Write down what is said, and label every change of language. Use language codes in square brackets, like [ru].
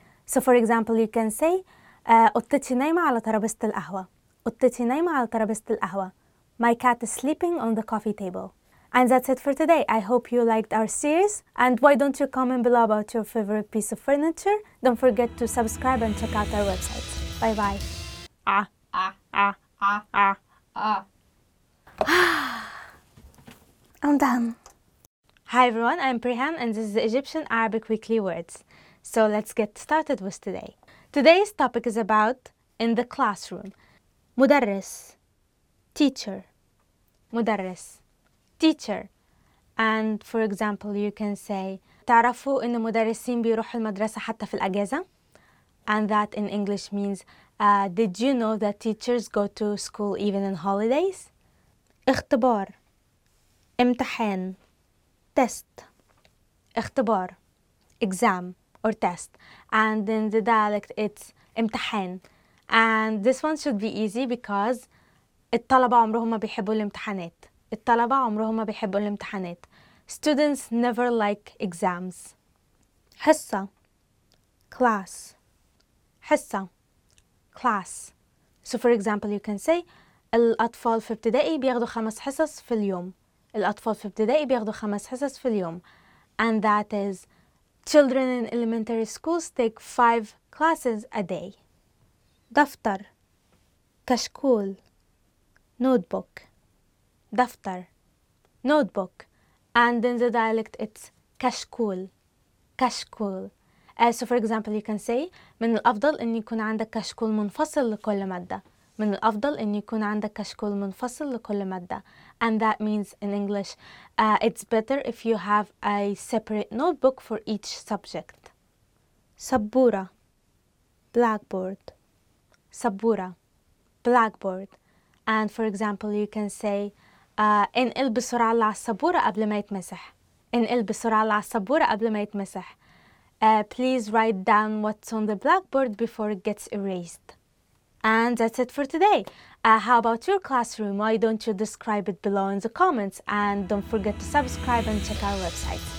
[en] So for example you can say [ar] قطتي نايمة على ترابيزة القهوة. قطتي نايمة على ترابيزة القهوة. [en] My cat is sleeping on the coffee table. And that's it for today. I hope you liked our series. And why don't you comment below about your favorite piece of furniture. Don't forget to subscribe and check out our website. Bye bye. I'm done. Hi everyone, I'm Prehan and this is the Egyptian Arabic Weekly Words. So let's get started with today. Today's topic is about in the classroom. [ar] مدرس. Teacher. مدرس. Teacher. [en] And for example, you can say [ar] تعرفوا ان مدرسين بيروحوا المدرسة حتى في الأجازة؟ [en] And that in English means, did you know that teachers go to school even in holidays? [ar] اختبار امتحان test [en] اختبار exam or test. And in the dialect it's امتحان. And this one should be easy because [ar] الطلبة عمرهم ما بيحبوا الامتحانات. الطلبة عمرهم ما بيحبوا الامتحانات. [en] Students never like exams. [ar] حصة class حصة class. [en] So for example you can say [ar] الأطفال في ابتدائي بياخدوا خمس حصص في اليوم. الأطفال في ابتدائي بياخدوا خمس حصص في اليوم. [en] And that is children in elementary schools take 5 classes a day. [ar] دفتر كشكول notebook دفتر notebook. [en] And in the dialect it's كشكول كشكول. So for example you can say [ar] من الأفضل أن يكون عندك كشكول منفصل لكل مادة. من الأفضل أن يكون عندك كشكول منفصل لكل مادة. [en] And that means in English it's better if you have a separate notebook for each subject. [ar] سبورة blackboard سبورة [en] blackboard. And for example you can say [ar] انقل بسرعة على السبورة قبل ما يتمسح. انقل بسرعة على السبورة قبل ما يتمسح. [en] Please write down what's on the blackboard before it gets erased. And that's it for today. How about your classroom? Why don't you describe it below in the comments? And don't forget to subscribe and check our website.